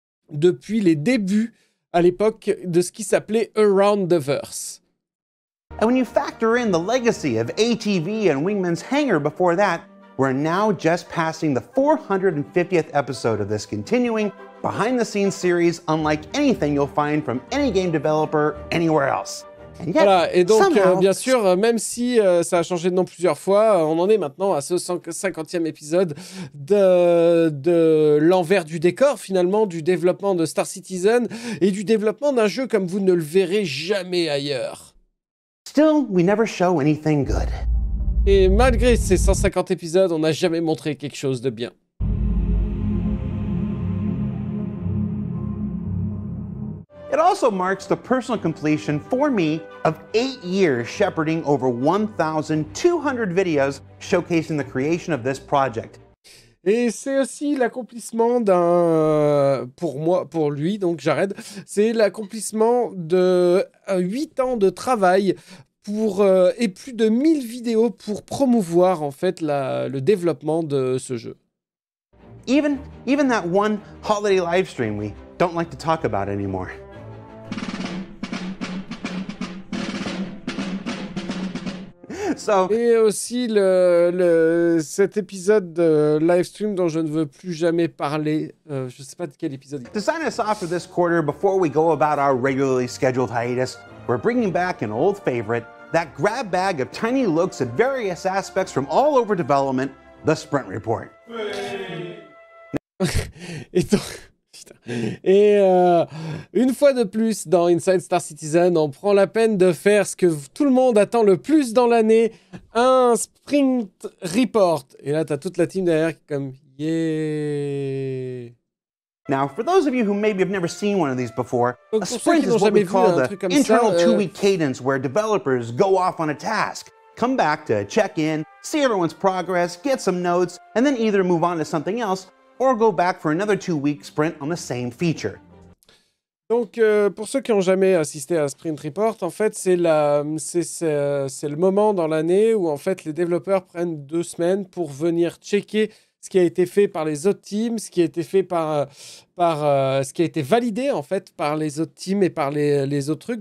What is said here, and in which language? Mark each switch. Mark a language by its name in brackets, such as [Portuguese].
[French] depuis les débuts à l'époque de ce qui s'appelait Around the Verse. [English] And when you factor in the legacy of ATV and Wingman's Hangar before that, we're now just passing the 450th episode of this continuing behind the scenes series unlike anything you'll find from any game developer anywhere else. And yet, [French] voilà, et donc [English] somehow, [French] bien sûr même si ça a changé de nom plusieurs fois, on en est maintenant à ce 150e épisode de l'envers du décor finalement du développement de Star Citizen et du développement d'un jeu comme vous ne le verrez jamais ailleurs. [English] Still, we never show anything good. [French] Et malgré ces 150 épisodes, on n'a jamais montré quelque chose de bien. [English] It also marks the personal completion for me of 8 years shepherding over 1,200 videos showcasing the creation of this project. [French] Et c'est aussi l'accomplissement d'un... pour moi, pour lui, donc Jared, c'est l'accomplissement de 8 ans de travail pour, et plus de 1000 vidéos pour promouvoir en fait le développement de ce jeu. [English] Even that one holiday live stream we don't like to talk about anymore. [French] So, et aussi cet épisode de live stream dont je ne veux plus jamais parler. Je ne sais pas de quel épisode. [English] To sign us off for this quarter, before we go about our regularly scheduled hiatus, we're bringing back an old favorite, that grab bag of tiny looks at various aspects from all over development, the Sprint Report. [French] Et donc... Et une fois de plus, dans Inside Star Citizen, on prend la peine de faire ce que tout le monde attend le plus dans l'année, un sprint report. Et là, t'as toute la team derrière qui est comme yeah. [English] Now, for those of you who maybe have never seen one of these before, a sprint is what we call the internal two-week cadence where developers go off on a task, come back to check in, see everyone's progress, get some notes, and then either move on to something else. Or go back for another 2 week sprint on the same feature. [French] Donc pour ceux qui ont jamais assisté à Sprint Report, en fait c'est le moment dans l'année où en fait les développeurs prennent 2 semaines pour venir checker ce qui a été fait par les autres teams, ce qui a été fait par ce qui a été validé en fait par les autres teams et par les autres trucs.